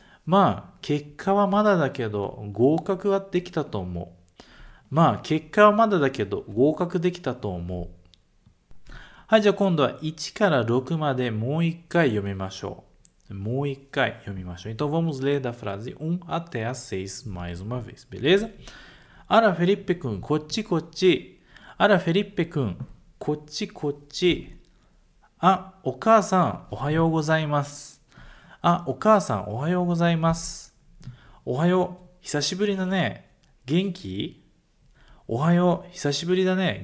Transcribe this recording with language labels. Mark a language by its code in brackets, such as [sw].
[ja] まあ結果はまだだけど合格はできたと思う。まあ結果はまだだけど合格できたと思う。はいじゃあ今度は1から6までもう一回読みましょう。もう一回読みましょう。 [pt] Então vamos ler da frase 1 até a 6 mais uma vez, beleza? [ja] あらフェリッペ君こっちこっち。あらフェリッペ君こっちこっち。あお母さんおはようございます。あ、お母さん、おはようございます。おはよう、久しぶりだね。元気？おはよう、久しぶりだね。